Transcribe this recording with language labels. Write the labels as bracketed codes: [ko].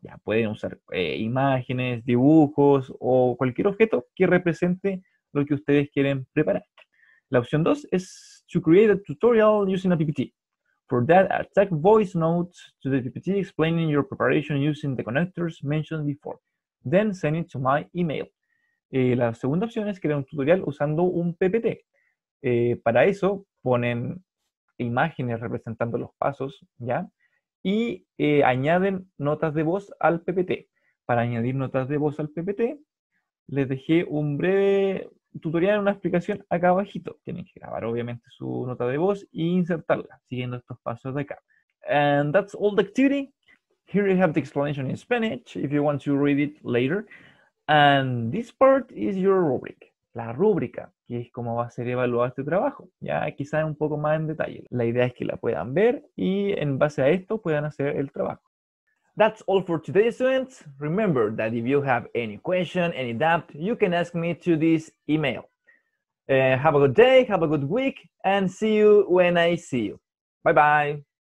[es] Ya pueden usar imágenes, dibujos o cualquier objeto que represente lo que ustedes quieren preparar. La opción 2 es [en] to create a tutorial using a PPT. For that, attach voice notes to the PPT explaining your preparation using the connectors mentioned before. Then send it to my email. [es] La segunda opción es crear un tutorial usando un PPT. Para eso ponen imágenes representando los pasos, ¿ya? Y añaden notas de voz al PPT. Para añadir notas de voz al PPT, les dejé un breve tutorial, una explicación acá abajito. Tienen que grabar obviamente su nota de voz e insertarla, siguiendo estos pasos de acá. [en] And that's all the activity. Here you have the explanation in Spanish, if you want to read it later. And this part is your rubric. [es] La rúbrica, que es cómo va a ser evaluado este trabajo. Ya quizás un poco más en detalle. La idea es que la puedan ver y en base a esto puedan hacer el trabajo. [en] That's all for today, students. Remember that if you have any question, any doubt, you can ask me to this email. Have a good day, have a good week, and see you when I see you. Bye-bye.